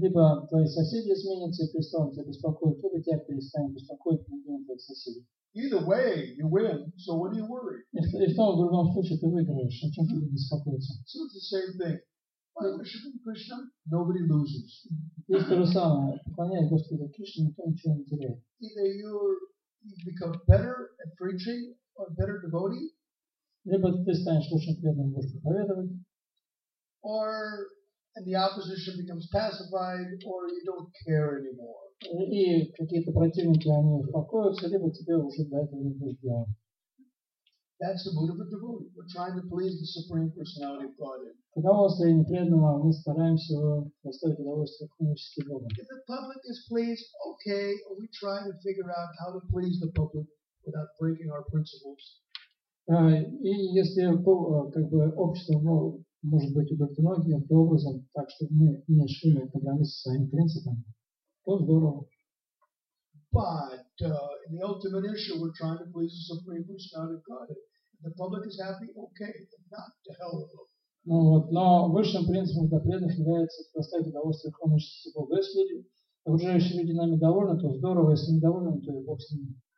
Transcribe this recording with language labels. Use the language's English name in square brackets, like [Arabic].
[Russian] Либо твои соседи изменятся и перестанут тебя беспокоить, либо тебя перестанут беспокоить другие твои соседи. [English] Either way, you win. So what do you worry? [Russian] И в том, в другом случае ты выиграешь. О чем тебе беспокоиться? [English] So it's the same thing. By worshiping Krishna, nobody loses. [Russian] Здесь то же самое. Поклоняясь Господу Кришне, никто ничего не теряет. [English] Either you become better at preaching or better devotee. [Russian] Либо ты станешь лучшим преданным Господу проповедовать. [English] Or and the opposition becomes pacified, or you don't care anymore. [Russian] И какие-то противники они успокоятся, либо тебе уже до этого не будет дела. [English] That's the mood of a devotee. We're trying to please the Supreme Personality of Godhead. [Russian] Каково состояние преданного, мы стараемся доставить удовольствие космическим богам. [English] If the public is pleased, okay, we try to figure out how to please the public without breaking our principles. [Russian] И если как бы общество может быть удовлетворено каким-то образом, так чтобы мы не шли по границе со своим принципом, то здорово. [English] But in the ultimate issue, we're trying to please the Supreme Personality of Godhead. If the public is happy, okay, but not to hell with them. [Russian] Ну вот, но высшим принципом для преданных является доставить удовольствие космическому богу. Если люди, окружающие люди нами довольны, то здорово, если недовольны, то и бог с ними.